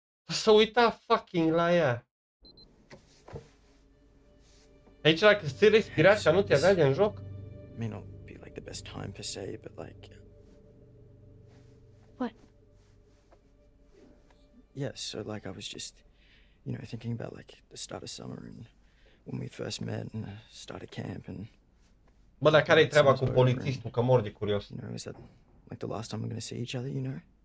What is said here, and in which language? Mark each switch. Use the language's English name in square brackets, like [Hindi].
[Romanian] S-a uitat fucking la ea. Aici dacă ți-ai respirat și nu te-a dat în joc? [English] May not be like the best time per se, but like... What? Yeah, so like I was just, you know, thinking about like the start of summer and... When we first met and started camp and... [Romanian] Bă, dar care-i treaba cu polițistul, că mor de curios. [English] You know, is that like the last time we're gonna see each other, you know?